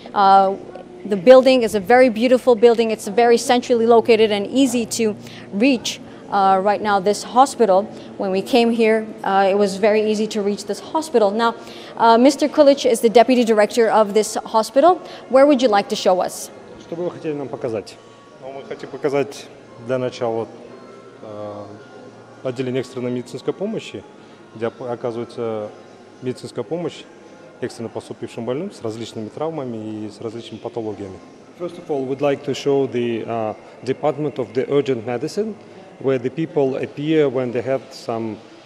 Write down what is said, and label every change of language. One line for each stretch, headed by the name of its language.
English: The building is a very beautiful building. It's very centrally located and easy to reach. Right now, this hospital, when we came here, it was very easy to reach this hospital. Now, Mr. Kulich is the deputy director of this hospital. Where would you like to show us?
Russian: Что бы вы хотели нам показать? Ну, мы хотим показать для начала отделение экстренной медицинской помощи, где оказывается медицинская помощь экстренно поступившим больным с различными травмами и с различными патологиями.
English: First of all, we'd like to show the department of the urgent medicine, where the people appear when they have some